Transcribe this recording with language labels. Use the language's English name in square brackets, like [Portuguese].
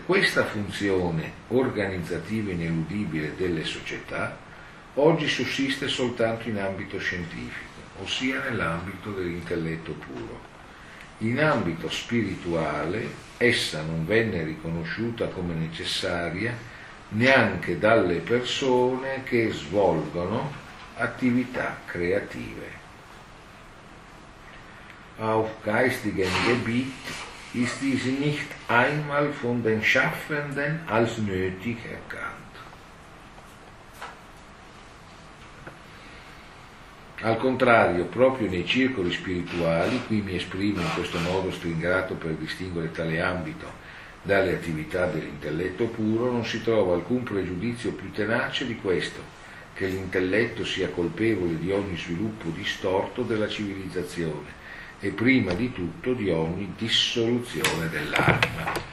[Italian] Questa funzione organizzativa ineludibile delle società oggi sussiste soltanto in ambito scientifico, ossia nell'ambito dell'intelletto puro. In ambito spirituale essa non venne riconosciuta come necessaria neanche dalle persone che svolgono attività creative. [German] Auf geistigem Gebiet ist dies nicht einmal von den Schaffenden als nötig erkannt. [Italian] Al contrario, proprio nei circoli spirituali, qui mi esprimo in questo modo stringato per distinguere tale ambito dalle attività dell'intelletto puro, non si trova alcun pregiudizio più tenace di questo, che l'intelletto sia colpevole di ogni sviluppo distorto della civilizzazione e prima di tutto di ogni dissoluzione dell'anima.